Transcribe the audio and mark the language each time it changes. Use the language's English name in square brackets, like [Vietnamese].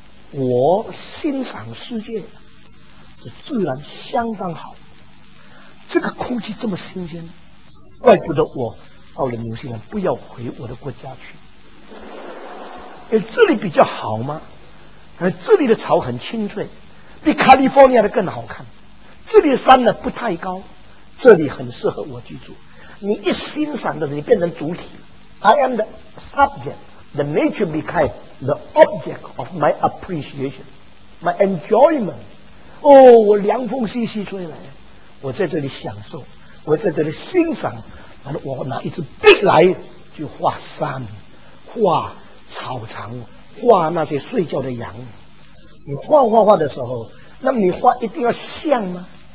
[Chinese] 我欣赏世界，这自然相当好，这个空气这么新鲜，怪不得我到了纽西兰不要回我的国家去，这里比较好吗？这里的草很清脆，比加利福尼亚的更好看，这里的山呢不太高，这里很适合我居住。你一欣赏的时候，你变成主体。 [English] I am the subject, the nature becomes the object of my appreciation, my enjoyment。 [Chinese] 哦，我凉风习习吹来，我在这里享受，我在这里欣赏，然后我拿一支笔来就画山，画草场，画那些睡觉的羊。你画画画的时候，那么你画一定要像吗？